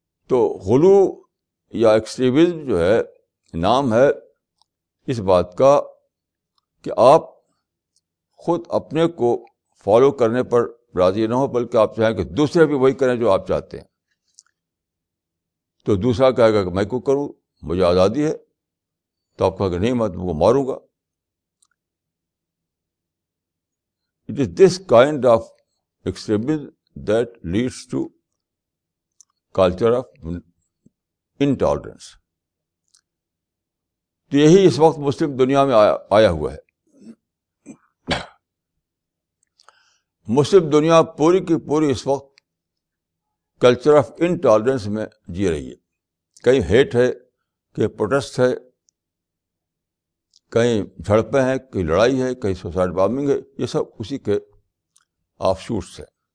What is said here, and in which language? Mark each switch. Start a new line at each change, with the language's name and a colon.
Urdu: تو غلو یا ایکسٹریمزم جو ہے نام ہے اس بات کا کہ آپ خود اپنے کو فالو کرنے پر راضی نہ ہو, بلکہ آپ چاہیں کہ دوسرے بھی وہی کریں جو آپ چاہتے ہیں. تو دوسرا کہے گا کہ میں کیوں کروں, مجھے آزادی ہے. تو آپ کہا کہ نہیں, میں وہ ماروں گا.
English: It is this kind of extremism that leads to culture of intolerance.
Urdu: تو یہی اس وقت مسلم دنیا میں آیا ہوا ہے. مسلم دنیا پوری کی پوری اس وقت
English: culture of intolerance
Urdu: میں جی رہی ہے. کہیں ہیٹ ہے, کہیں پروٹیسٹ ہے, کہیں جھڑپیں ہیں, کہیں لڑائی ہے, کہیں سوسائڈ بامبنگ ہے, یہ سب اسی کے آف شوٹس ہیں.